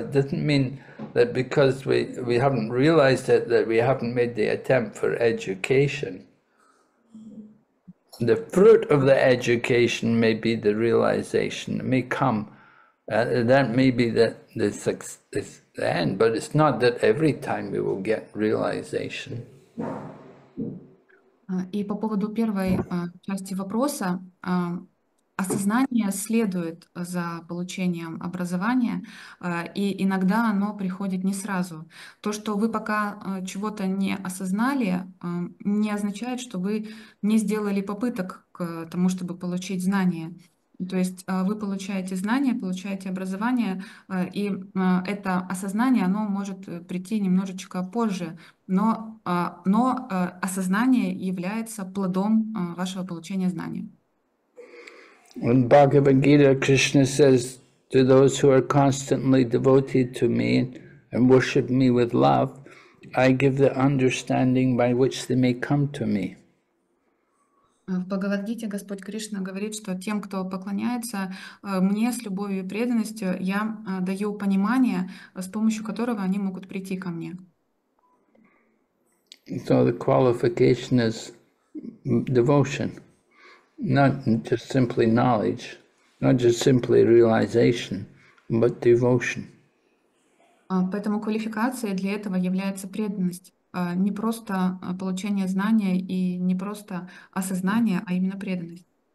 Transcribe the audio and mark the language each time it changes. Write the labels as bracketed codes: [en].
[en] It doesn't mean that because we haven't realized it, that we haven't made the attempt for education. The fruit of the education may be the realization. It may come. That may be the end, but it's not that every time we will get realization. [ru] И по поводу первой части вопроса, осознание следует за получением образования, и иногда оно приходит не сразу. То, что вы пока чего-то не осознали, не означает, что вы не сделали попыток к тому, чтобы получить знания. То есть вы получаете знания, получаете образование, и это осознание, оно может прийти немножечко позже, но осознание является плодом вашего получения знания. [en] In Bhagavad Gita, Krishna says to those who are constantly devoted to me and worship me with love, I give the understanding by which they may come to me. [ru] В Бхагавад Гите Господь Кришна говорит, что тем, кто поклоняется мне с любовью и преданностью, я даю понимание, с помощью которого они могут прийти ко мне. [en] So the qualification is devotion, not just simply knowledge, not just simply realization, but devotion. [ru] Поэтому квалификация для этого является преданность. Не просто получение знания и не просто осознание, а именно преданность.